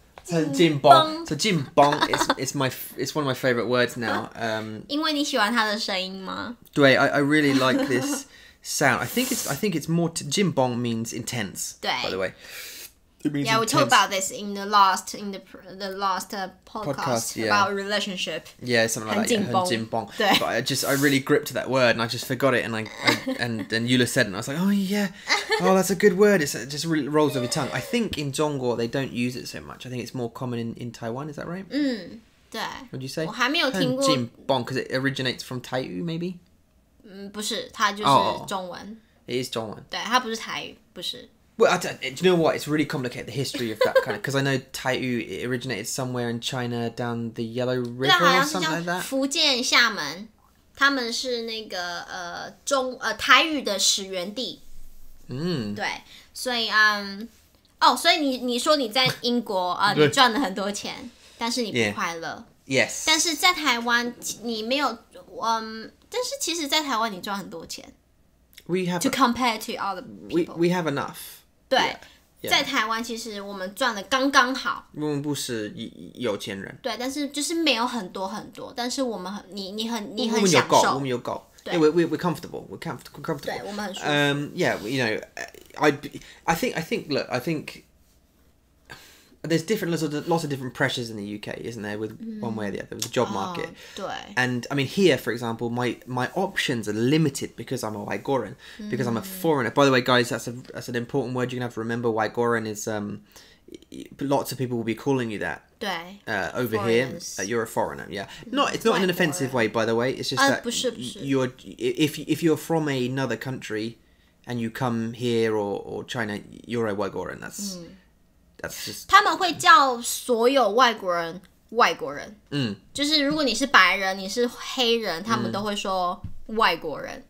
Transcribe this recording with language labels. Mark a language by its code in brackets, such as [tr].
[en] 很紧绷 it's one of my favorite words now. [zh] 因为你喜欢它的声音吗？ [en] 对 I really like this sound. I think it's more 紧绷 means intense. [zh] 对 [en] by the way. Yeah, we talked about this in the last podcast. About relationship. Yeah, something like 很紧绷 that. 很紧绷 But I really gripped that word and I just forgot it. And then Eula said it and I was like, oh yeah. Oh, that's a good word. It just really rolls off your tongue. I think in Zhongguo, they don't use it so much. I think it's more common in Taiwan. Is that right? [zh] 嗯，对。 [en] What'd you say? [zh] 我还没有听过。 [en] 很紧绷 because it originates from 台语 maybe? [zh] 不是，它就是中文。 [en] It is 中文。 [zh] 对，它不是台语，不是。 [en] Well, do you know what? It's really complicated, the history of that kind of... Because I know Taiyu originated somewhere in China down the Yellow River or something like that. [zh] 福建厦门他们是那个中台语的始源地。对。所以所以你说你在英国你赚了很多钱但是你不快乐。 [en] Yes. [zh] 但是在台湾你没有但是其实在台湾你赚很多钱。 [en] We have to compare to other people. We have enough. [zh] 对 yeah. 在台湾其实我们赚的刚刚好。我们不是有钱人。对但是就是没有很多很多但是我们很你很享受。我们有够。对 [en] we're comfortable. We're comfortable. [zh] 对我们很舒服。 [en] Yeah, you know, I think there's different lots of different pressures in the UK, isn't there? With one way or the other, with the job market. [zh] 对. [en] And I mean, here, for example, my options are limited because I'm a Waigoran, because I'm a foreigner. By the way, guys, that's an important word you're gonna have to remember. Waigoran is lots of people will be calling you that. [zh] 对. [en] Over foreigners. Here, you're a foreigner. Yeah. It's not in an offensive way, by the way. It's just that [zh] 不是不是. [en] If you're from another country, and you come here or China, you're a Waigoran. That's. Just, [zh] 他们会叫所有外国人外国人，就是如果你是白人，你是黑人，他们都会说外国人。